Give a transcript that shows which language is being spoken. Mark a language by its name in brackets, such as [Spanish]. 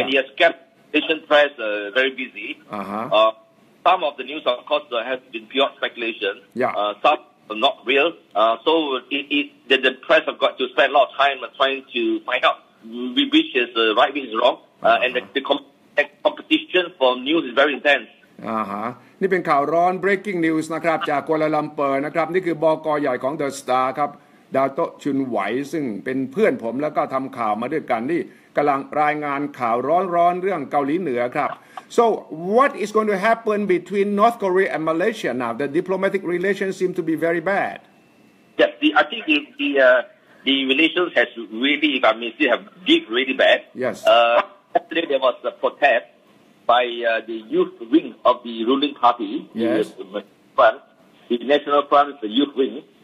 [English] and he has kept Asian press very busy. Some of the news, of course, has been pure speculation. Yeah. Some are not real. So the press have got to spend a lot of time trying to find out which is right, which is wrong. And the competition for news is very intense. [Thai] ฮะนี่เป็นข่าวร้อน breaking news นะครับจากกัวลาลัมเปอร์นะครับนี่คือบก. ใหญ่ของ The Star ครับดาวโต๊ะชุนไหวซึ่งเป็นเพื่อนผมแล้วก็ทำข่าวมาด้วยกันนี่กำลังรายงานข่าวร้อนๆเรื่องเกาหลีเหนือครับ [English] So what is going to happen between North Korea and Malaysia now? The diplomatic relations seem to be very bad. Yes, I think the relations has really, if I may say, have dipped really bad. Yes. Yesterday there was a protest by the youth wing of the ruling party. Yes. The National Front, the youth wing.